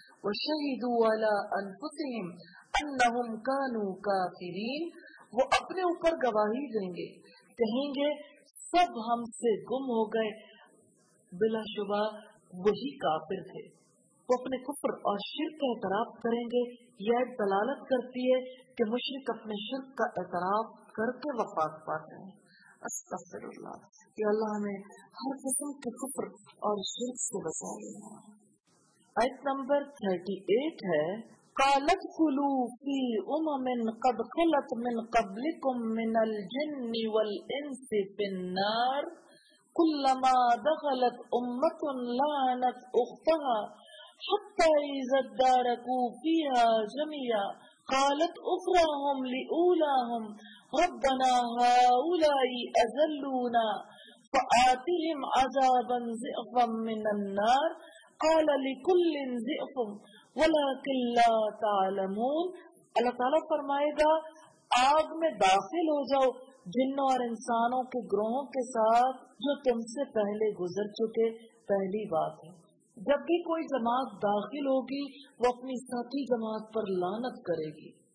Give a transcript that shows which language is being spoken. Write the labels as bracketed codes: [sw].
[ar] وشہدوا علی انفسہم انہم کانوا کافرین، [ur] وہ اپنے اوپر گواہی دیں گے، کہیں گے سب ہم سے گم ہو گئے، بلا شبہ وہی کافر تھے. وہ اپنے کفر اور شرک کا اعتراف کریں گے. یہ دلالت کرتی ہے کہ مشرک اپنے شرک کا اعتراف کر کے وفات پاتے ہیں. استغفراللہ، کہ اللہ ہمیں ہر قسم کے کفر اور شرک سے بچائے. آیت نمبر 38 ہے، [ar] قالت خلو فی امم قد خلت من قبلكم من الجن والانس فی النار کلما دخلت امت لعنت اختها حتى اذا اداركوا فيها جميعا قالت اخراهم لاولاهم ربنا هؤلاء اذلونا فاتهم عذابا ضعفا من النار قال لكل ضعف ولكن لا تعلمون. [ur] اللہ تعالیٰ فرمائے گا، آگ میں داخل ہو جاؤ جنوں اور انسانوں کے گروہوں کے ساتھ جو تم سے پہلے گزر چکے. پہلی بات ہے، جب بھی کوئی جماعت داخل ہوگی وہ اپنی ساتھی جماعت پر لعنت کرے گی.